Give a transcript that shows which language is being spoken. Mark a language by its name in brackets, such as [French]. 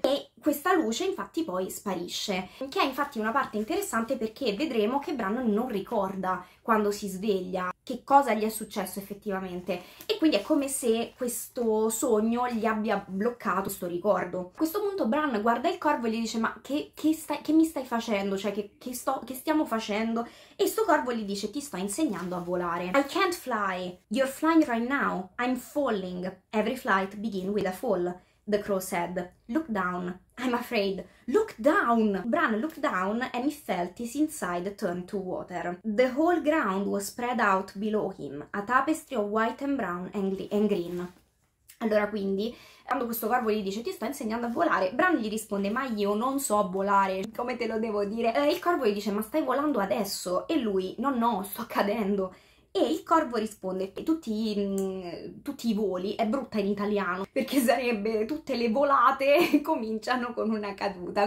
[Italian] E questa luce infatti poi sparisce, che è infatti una parte interessante perché vedremo che Bran non ricorda quando si sveglia che cosa gli è successo effettivamente. E quindi è come se questo sogno gli abbia bloccato questo ricordo. A questo punto Bran guarda il corvo e gli dice: ma che mi stai facendo? Cioè che stiamo facendo? E sto corvo gli dice: ti sto insegnando a volare. [English] I can't fly. You're flying right now. I'm falling. Every flight begins with a fall, the crow said. Look down. I'm afraid. Look down! Bran looked down and he felt his inside turn to water. The whole ground was spread out below him, a tapestry of white and brown and green. [Italian] Allora, quindi, quando questo corvo gli dice: ti sto insegnando a volare, Bran gli risponde: ma io non so volare, come te lo devo dire? Il corvo gli dice: ma stai volando adesso? E lui: no, no, sto cadendo. E il corvo risponde: tutti i voli, è brutta in italiano, perché sarebbe tutte le volate cominciano con una caduta.